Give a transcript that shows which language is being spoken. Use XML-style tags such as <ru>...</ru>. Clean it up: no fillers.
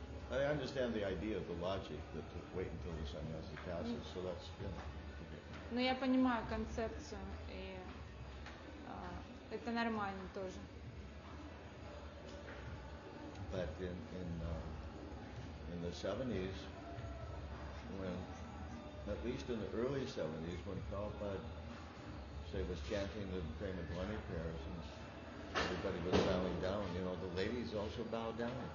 <en>I understand the idea, the logic, that to wait until the sannyasi passes. Mm-hmm. So that's, you know.</en> <ru>Но я понимаю концепцию, и это нормально тоже.</ru> <en>But in the 70s, when, at least in the early 70s, when Prabhupada, say, was chanting the Prema Dhwani prayers, and everybody was bowing down, you know, the ladies also bowed down.</en>